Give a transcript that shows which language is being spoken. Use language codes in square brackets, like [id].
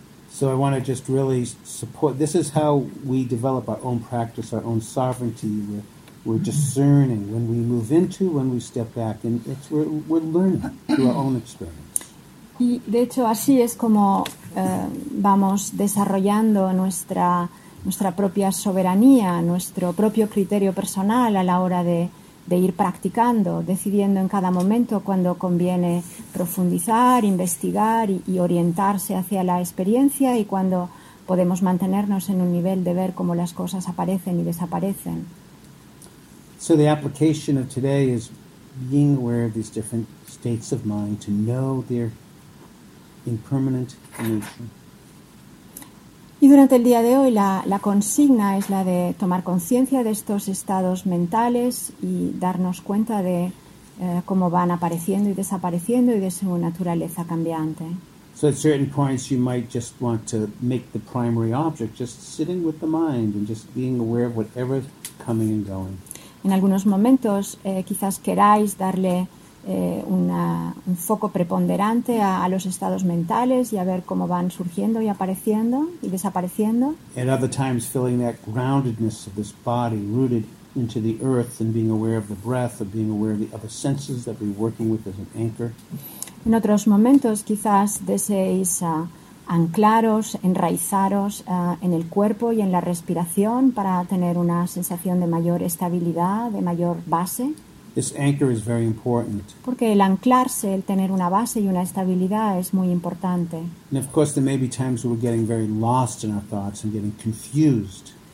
[en] So I want to just really support, this is how we develop our own practice, our own sovereignty. We're discerning when we move into, when we step back, and it's we're learning through our own experience. [es] Y de hecho así es como vamos desarrollando nuestra propia soberanía, nuestro propio criterio personal a la hora de ir practicando, decidiendo en cada momento cuando conviene profundizar, investigar y orientarse hacia la experiencia y cuando podemos mantenernos en un nivel de ver cómo las cosas aparecen y desaparecen. [en] So the application of today is being aware of these different states of mind to know their impermanent nature. [es] Y durante el día de hoy la consigna es la de tomar conciencia de estos estados mentales y darnos cuenta de cómo van apareciendo y desapareciendo y de su naturaleza cambiante. [en] So at certain points you might just want to make the primary object, just sitting with the mind and just being aware of whatever is coming and going. [es] En algunos momentos quizás queráis darle un foco preponderante a los estados mentales y a ver cómo van surgiendo y apareciendo y desapareciendo. [en] At other times feeling that groundedness of this body rooted into the earth and being aware of the breath, of being aware of the other senses that we're working with as an anchor. [es] En otros momentos quizás deseéis anclaros, enraizaros en el cuerpo y en la respiración para tener una sensación de mayor estabilidad, de mayor base. [en] This anchor is very important. [es] Porque el anclarse, el tener una base y una estabilidad es muy importante. [en] And of course there may be times we're getting very lost in our thoughts and getting confused.